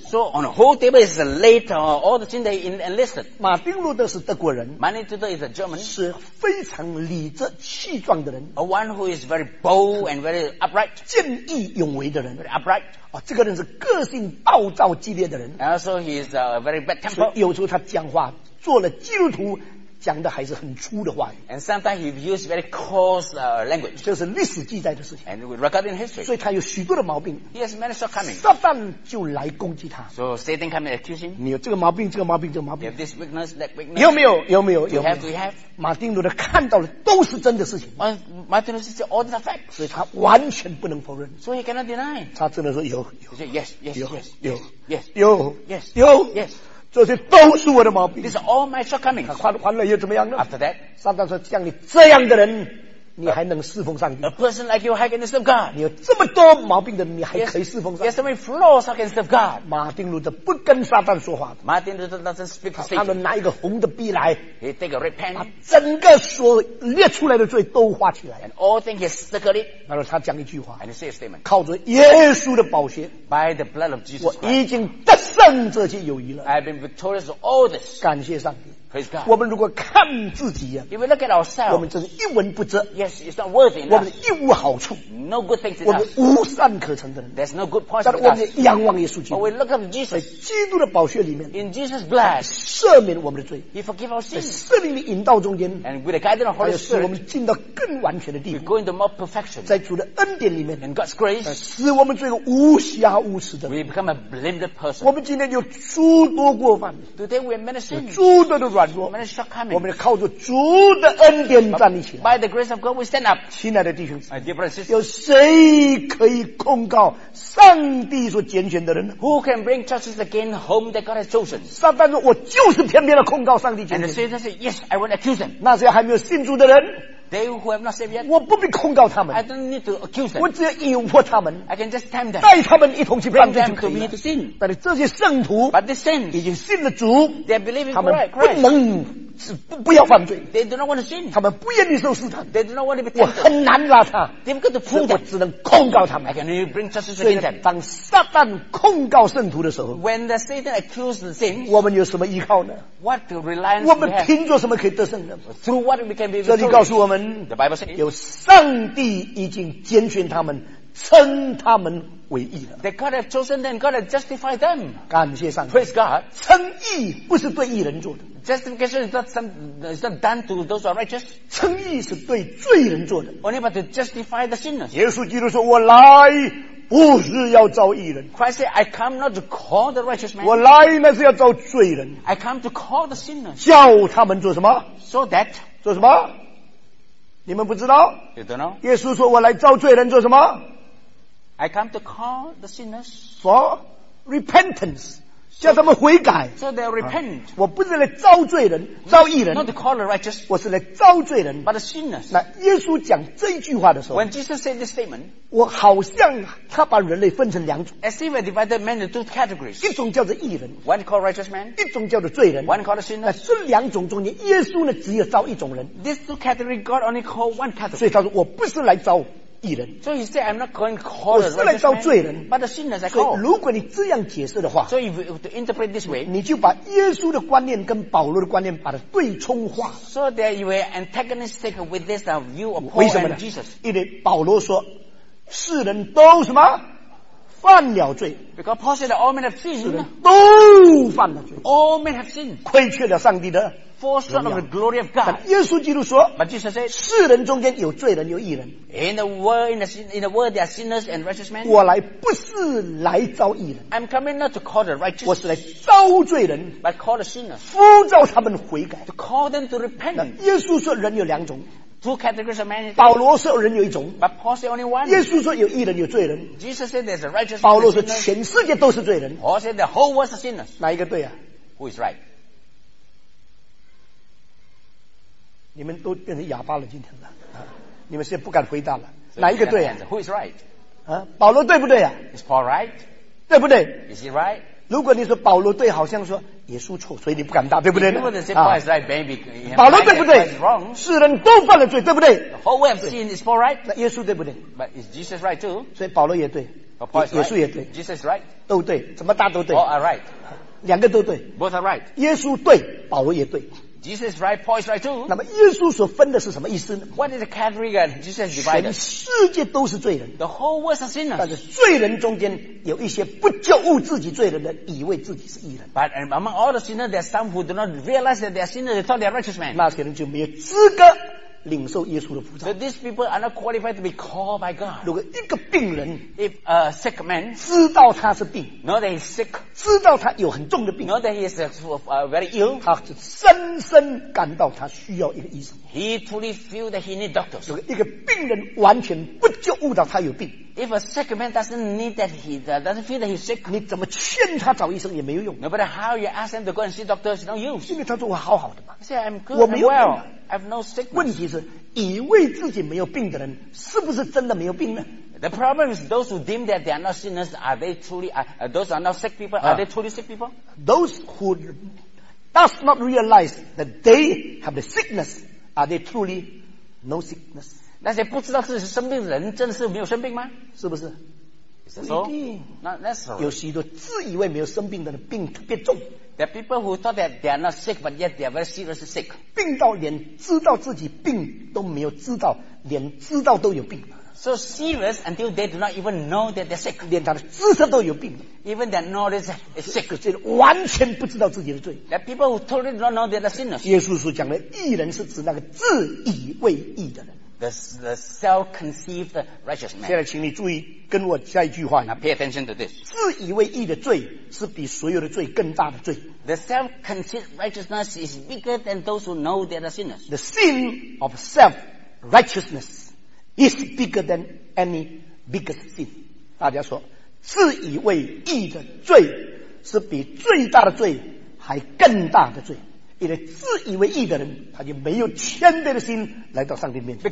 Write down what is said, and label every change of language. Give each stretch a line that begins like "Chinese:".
English: So on the whole table is laid all the things they enlisted
Chinese: 马丁路德是德国人
English: Martin Luther is a German
Chinese: 是非常理直气壮的人
English: A one who is very bold and very upright
Chinese: 见义勇为的人
English: Very upright、
Chinese: 哦、这个人是个性暴躁激烈的人
English: And also he is a very bad temper
Chinese: 有时候他讲话做了基督徒讲的还是很粗的话语
English: And sometimes he used very coarse language
Chinese: 这是历史记载的事情
English: And regarding history
Chinese: 所以他有许多的毛病
English: He has many shortcomings
Chinese: 撒旦就来攻击他
English: So Satan came and accused him
Chinese: 你有这个毛病这个毛病这个毛病
English: You have this weakness that weakness
Chinese: 有没有有没有
English: Do you have? Do you have?
Chinese: 马丁路德看到了都是真的事情
English: Martin Luther said all the facts
Chinese: 所以他完全不能否认
English: So he cannot deny
Chinese: 他真的说有
English: He said yes yes yes
Chinese: 有
English: yes
Chinese: 有
English: yes
Chinese: 有
English: yes
Chinese: 这些都是我的毛病。
English: These are all my shortcomings.
Chinese: 还还了又怎么样呢
English: ？After that,
Chinese: 撒旦说：“像你这样的人，你还能侍奉上帝
English: ？A person like you, how can you serve God?
Chinese: 你有这么多毛病的，你还可以侍奉上帝
English: ？Yes, so many flaws, how can you serve God?
Chinese: 马丁路德不跟撒旦说话。
English: Martin Luther doesn't speak to
Chinese: Satan. 他们拿一个红的笔来
English: ，He take a red pen.
Chinese: 把整个所列出来的罪都画起来
English: ，And all things he circled it.
Chinese: 然后他讲一句话
English: ，And he say a statement.
Chinese: 靠着耶稣的宝血
English: ，By the blood of Jesus Christ.
Chinese: 我已经得胜这些友谊了
English: ，I've been victorious of all this.
Chinese: 感谢上帝。
English: Praise God.
Chinese: 我们如果看自己呀、
English: 啊、，If we look at ourselves,
Chinese: 我们真是一文不值。
English: Yes, it's not worthy.
Chinese: 我们一无好处。
English: No good things.
Chinese: 我们无善可陈的人。
English: There's no good points.
Chinese: 但是我们仰望耶稣基督。
English: But we look up to Jesus.
Chinese: 在基督的宝血里面。
English: In Jesus' blood.
Chinese: 赦免我们的罪。
English: He forgives our sins.
Chinese: 在圣灵的引导中间。
English: And with the guidance of the Holy Spirit.
Chinese: 还有使我们进到更完全的地步。
English: We go into more perfection.
Chinese: 在主的恩典里面。
English: In God's grace.
Chinese: 使我们做一个无瑕无疵的。
English: We become a blameless person.
Chinese: 我们今天有诸多过犯。
English: Today we are many sins.
Chinese: 有诸多的软弱。
English: Many shortcomings.
Chinese: 我们要靠着主的恩典站立起来。
English: By the grace of God we stand up.
Chinese: 亲爱的弟兄姊妹。
English: My dear brothers and sisters.
Chinese: 有谁可以控告上帝所拣选的人？
English: Who can bring justice against whom that God has chosen?
Chinese: 撒旦说我就是偏偏的控告上帝拣选。
English: And the Satan said, yes, I will accuse him.
Chinese: 那些还没有信主的人。
English: They who have not saved yet.
Chinese: 我不必控告他们。
English: I don't need to accuse them.
Chinese: 我只要引迫他们。
English: I can just tempt them.
Chinese: 带他们一同去犯罪就可以了。但是这些圣徒。
English: But the saints.
Chinese: 已经信了主。
English: They believe in Christ.
Chinese: 他们不能。不要犯罪。
English: They do not want to sin.
Chinese: 他们不愿意受试探。
English: They do not want to be tempted.
Chinese: 我很难拉他。
English: They've got to pull them.
Chinese: 我只能控告他们。
English: I can only bring justice against them.
Chinese: 所以当撒旦控告圣徒的时候。
English: When the Satan accuses the saints.
Chinese: 我们有什么依靠呢？
English: What to rely on?
Chinese: 我们凭着什么可以得胜呢？
English: Through what we can be
Chinese: victorious. 这里告诉我们。
English: The Bible says.
Chinese: 有上帝已经拣选他们，称他们为义了。
English: That God has chosen them, God has justified them.
Chinese: 感谢上帝。
English: Praise God.
Chinese: 称义不是对义人做的。
English: Justification is not some, it's not done to those who are righteous.
Chinese: 称义是对罪人做的。
English: Only but to justify the sinners.
Chinese: 耶稣基督说：“我来不是要招义人。”
English: Christ said, "I come not to call the righteous man."
Chinese: 我来乃是要招罪人。
English: I come to call the sinners.
Chinese: 叫他们做什么
English: ？So that
Chinese: 做什么？你们不知道
English: ？You don't know.
Chinese: 耶稣说：“我来招罪人做什么
English: ？I come to call the sinners for repentance.
Chinese: 叫他们悔改。
English: So they repent.
Chinese: 我不是来招罪人，招义人。
English: Not to call the righteous.
Chinese: 我是来招罪人。
English: But the sinners.
Chinese: 那耶稣讲这句话的时候。
English: When Jesus said this statement.
Chinese: 我好像他把人类分成两种。
English: As if he divided men into two categories.
Chinese: 一种叫做义人。
English: One called righteous man.
Chinese: 一种叫做罪人。
English: One called sinners.
Chinese: 那这两种中间，耶稣呢只有招一种人。
English: These two categories, God only called one category.
Chinese: 所以他说我不是来招。
English: So he said, "I'm not going to call the righteous man, but the sinners I call."
Chinese: 如果你这样解释的话
English: ，So if you to interpret this way,
Chinese: 你就把耶稣的观念跟保罗的观念把它对冲化。
English: So that you are antagonistic with this view of Paul and Jesus.
Chinese: 因为保罗说，世人都什么？犯了罪
English: ，because Paul said all men have sinned,
Chinese: 都犯了罪
English: ，all men have sinned,
Chinese: 亏缺了上帝的
English: ，fall short of the glory of God.
Chinese: 但耶稣基督说
English: ，but Jesus said,
Chinese: 世人中间有罪人有义人
English: ，in the world there are sinners and righteous men.
Chinese: 我来不是来招义人
English: ，I'm coming not to call the righteous,
Chinese: 我是来招罪人
English: ，but call the sinners,
Chinese: 呼召他们悔改
English: ，to call them to repent.
Chinese: 耶稣说人有两种。
English: Two categories of man.
Chinese: 保罗说人有一种。
English: But Paul said only one.
Chinese: 耶稣说有义人有罪人。
English: Jesus said there's a righteous.
Chinese: 保罗说全世界都是罪人。
English: Paul said the whole world is sinners.
Chinese: 哪一个对啊？
English: Who is right?
Chinese: 你们都变成哑巴了今天了、啊、你们现在不敢回答了。 So、哪一个对啊？
English: Who is right?
Chinese: 啊，保罗对不对啊？
English: Is Paul right?
Chinese: 对不对？
English: Is he right?
Chinese: 如果你说保罗对，好像说。耶稣错，所以你不敢答，对不对？保罗对不对？世人都犯了罪，对不对？
English: The whole world have sinned, is Paul right?
Chinese: 那耶稣对不对？
English: But is Jesus right too?
Chinese: 所以保罗也对，
English: right.
Chinese: 耶稣也对，
English: Jesus right?
Chinese: 都对，怎么答都对。
English: All are right.
Chinese: 两个都对。
English: Both are right.
Chinese: 耶稣对，保罗也对。
English: Jesus right, Paul is right too.
Chinese: 那么耶稣所分的是什么意思呢？
English: What is the category that Jesus divided?
Chinese: 全世界都是罪人。
English: The whole world is sinners.
Chinese: 但是罪人中间有一些不觉悟自己罪人的，以为自己是义人。
English: But among all the sinners, there are some who do not realize that they are sinners. They thought they are righteous men.
Chinese: 那些人就没有资格领受耶稣的呼召。
English: So these people are not qualified to be called by God.
Chinese: 如果一个病人
English: ，If a sick man
Chinese: 知道他是病
English: ，know that he is sick，
Chinese: 知道他有很重的病
English: ，know that he is very ill，
Chinese: 他就深深感到他需要一个医生。
English: He truly feels that he needs doctors.
Chinese: 如果一个病人完全不觉悟到他有病
English: ，If a sick man doesn't need that he doesn't feel that he's sick，
Chinese: 你怎么劝他找医生也没有用。
English: No matter how you ask him to go and see doctors, it's no use.
Chinese: 因为他说我好好的嘛
English: ，Say I'm good, I'm well. I have no sickness.
Chinese: 问题是，以为自己没有病的人，是不是真的没有病呢？
English: The problem is those who deem that they are not sinners, are they truly, those are not sick people, are they truly sick people? Those who does not realize that they have the sickness, are they truly no sickness?
Chinese: 那些不知道自己是生病的人，真的是没有生病吗？是不是？不一定。
English: Not necessarily.
Chinese: 有许多自以为没有生病的人，病特别重。
English: There are people who thought that they are not sick, but yet they are very seriously sick.
Chinese: 病到连知道自己病都没有知道，连知道都有病。
English: So serious until they do not even know that they're sick.
Chinese: 连他的知识都有病。
English: Even their knowledge is sick.
Chinese: 这完全不知道自己的罪。
English: There are people who totally do not know they're sinners.
Chinese: 耶稣所讲的义人是指那个自以为义的人。
English: The self-conceived righteous man.
Chinese: 现在请你注意跟我下一句话。
English: Now pay attention to this.
Chinese: 自以为义的罪是比所有的罪更大的罪。
English: The self-conceived righteousness is bigger than those who know they are sinners. The sin of self-righteousness is bigger than any biggest sin.
Chinese: 大家说自以为义的罪是比最大的罪还更大的罪。因为自以为义的人他就没有谦卑的心来到上帝面前。